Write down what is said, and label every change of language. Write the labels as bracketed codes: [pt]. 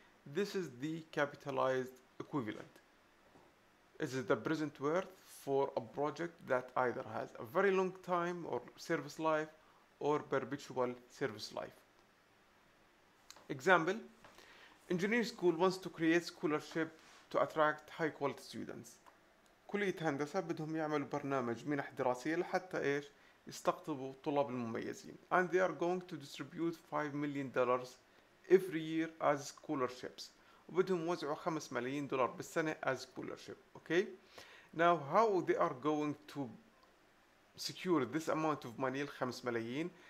[en] This is the capitalized equivalent. This is the present worth for a project that either has a very long time or service life or perpetual service life. Example, engineering school wants to create scholarship to attract high quality students. [ar] كلية هندسة بدهم يعملوا برنامج منح دراسية لحتى إيش يستقطبوا طلاب المميزين. [en] And they are going to distribute $5 million every year as scholarships. [ar] وبدهم وزعوا $5 million بالسنة as scholarship. Okay. [en] Now how they are going to secure this amount of money, $5 million?